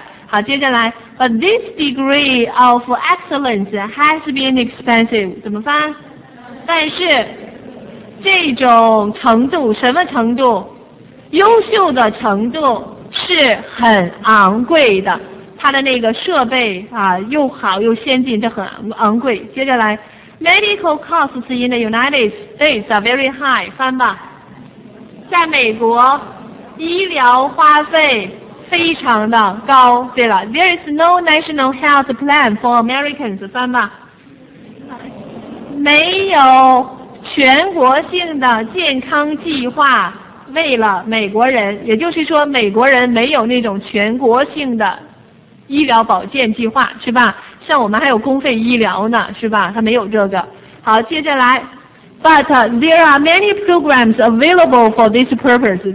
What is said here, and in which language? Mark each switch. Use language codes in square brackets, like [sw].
[zh] 好，接下来 [en] ，But this degree of excellence has been expensive. [zh] 怎么翻？但是这种程度，什么程度？优秀的程度是很昂贵的。它的那个设备啊，又好又先进，这很昂贵。接下来 [en] ，Medical costs in the United States are very high. [zh] 翻吧，在美国，医疗花费非常的高。对了 [en] ，There is no national health plan for Americans. [zh] 翻吧，没有全国性的健康计划为了美国人，也就是说，美国人没有那种全国性的医疗保健计划，是吧？像我们还有公费医疗呢，是吧？他没有这个。好，接着来 [en] ，But there are many programs available for this purpose.